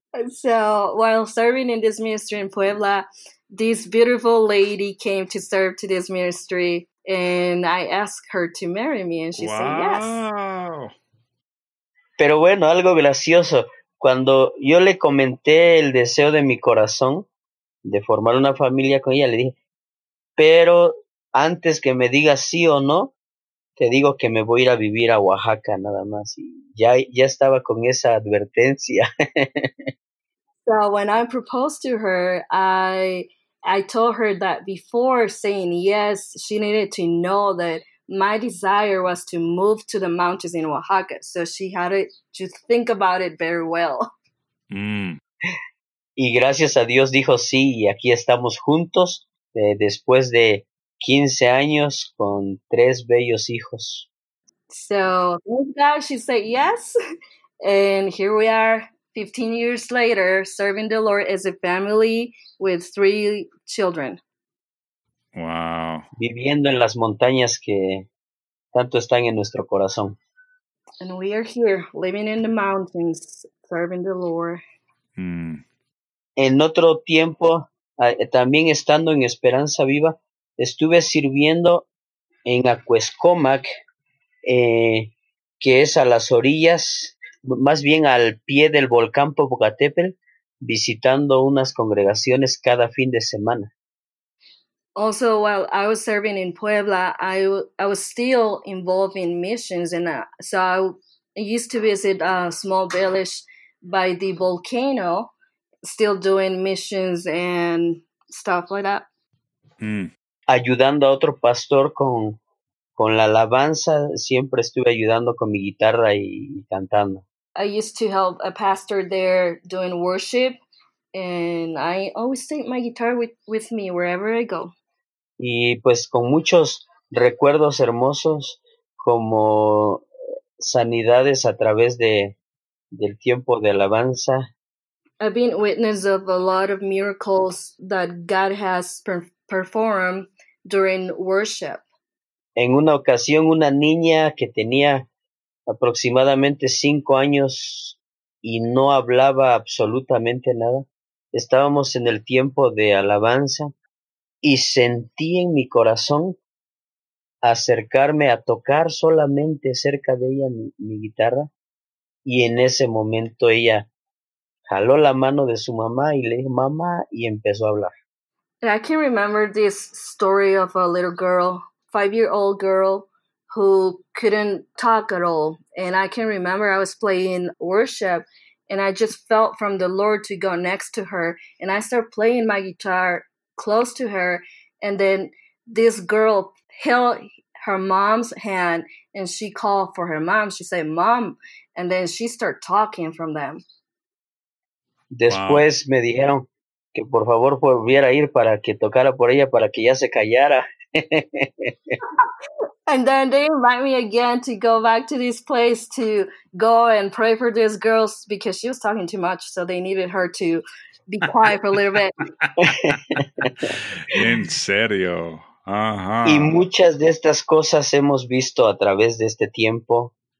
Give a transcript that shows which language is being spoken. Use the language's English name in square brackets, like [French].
[English] So while serving in this ministry in Puebla, this beautiful lady came to serve to this ministry, and I asked her to marry me, and she said yes. [Spanish] Pero bueno, algo gracioso. Cuando yo le comenté el deseo de mi corazón de formar una familia con ella, le dije, pero antes que me digas sí o no, te digo que me voy a ir a vivir a Oaxaca nada más. Y ya estaba con esa advertencia. [English] So when I proposed to her, I I told her that before saying yes, she needed to know that my desire was to move to the mountains in Oaxaca. So she had to think about it very well. Mm. [Spanish] Y gracias a Dios dijo sí, y aquí estamos juntos después de 15 años con tres bellos hijos. [English] So thank God she said yes, and here we are 15 years later serving the Lord as a family with three children. Wow. [Spanish] Viviendo en las montañas que tanto están en nuestro corazón. [English] And we are here living in the mountains serving the Lord. Mm. [Spanish] En otro tiempo, también estando en Esperanza Viva, estuve sirviendo en Aquescomac, que es a las orillas, más bien al pie del volcán Popocatépetl, visitando unas congregaciones cada fin de semana. [English] Also, while I was serving in Puebla, I was still involved in missions, and so I used to visit a small village by the volcano, still doing missions and stuff like that. Mm. [Spanish] Ayudando a otro pastor con la alabanza, siempre estuve ayudando con mi guitarra y cantando. [English] I used to help a pastor there doing worship, and I always take my guitar with me wherever I go. [Spanish] Y pues con muchos recuerdos hermosos, como sanidades a través del tiempo de alabanza. [English] I've been witness of a lot of miracles that God has performed during worship. [Spanish] En una ocasión, una niña que tenía aproximadamente 5 años y no hablaba absolutamente nada, estábamos en el tiempo de alabanza y sentí en mi corazón acercarme a tocar solamente cerca de ella mi guitarra, y en ese momento ella jaló la mano de su mamá y le dijo, mamá, y empezó a hablar. [English] I can remember this story of a little girl, 5-year-old girl, who couldn't talk at all. And I can remember I was playing worship, and I just felt from the Lord to go next to her. And I started playing my guitar close to her. And then this girl held her mom's hand, and she called for her mom. She said, mom. And then she started talking from them. [Spanish] Después me dijeron que por favor volviera a ir para que tocara por ella para que ya se callara. [English] And then they invite me again to go back to this place to go and pray for these girls because she was talking too much, so they needed her to be quiet for a little bit. [Spanish] En serio. Y muchas de estas cosas hemos visto a través de este tiempo.